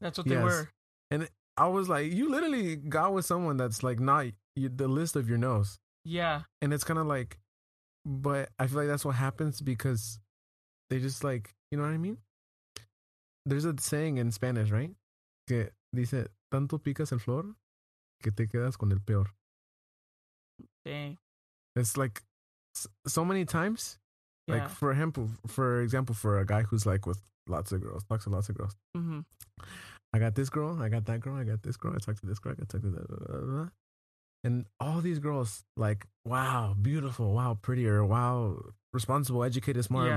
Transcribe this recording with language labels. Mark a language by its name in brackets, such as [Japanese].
[English] That's what yes. they were. And I was like, you literally got with someone that's like not the list of your no's. Yeah. And it's kind of like, but I feel like that's what happens because they just like, you know what I mean? There's a saying in Spanish, right? [Spanish] Que dice, tanto picas el flor que te quedas con el peor. [English] Dang. It's like so many times, yeah. Like for example, for a guy who's like with lots of girls, talks to lots of girls. Mm-hmm. I got this girl, I got that girl, I got this girl, I talked to this girl, I got talked to that. Blah, blah, blah. And all these girls, like, wow, beautiful, wow, prettier, wow, responsible, educated, smart, yeah.